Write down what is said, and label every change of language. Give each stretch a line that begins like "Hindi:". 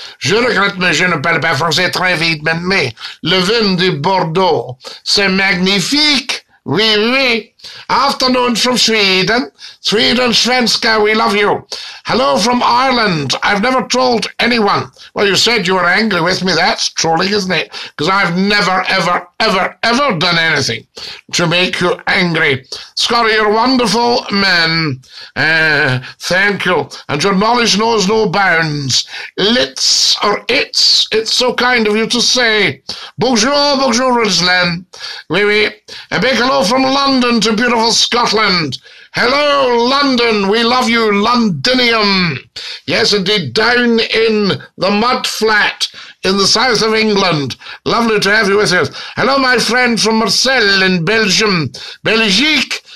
French: Je regrette, mais je ne parle pas français très vite, mais le vin de Bordeaux, c'est magnifique. Oui, oui.
English: Afternoon from Sweden. Sweden, Svenska, we love you. Hello from Ireland. I've never trolled anyone. Well, you said you were angry with me. That's trolling, isn't it? Because I've never, ever, ever, ever done anything to make you angry. Scotty, you're a wonderful man. Thank you. And your knowledge knows no bounds. It's so kind of you to say.
French: Bonjour, bonjour, Rislin. Oui, oui.
English: A big hello from London to beautiful Scotland. Hello, London. We love you, Londinium. Yes, indeed, down in the mud flat in the south of England. Lovely to have you with us. Hello, my friend from Marseille in Belgium. Belgique.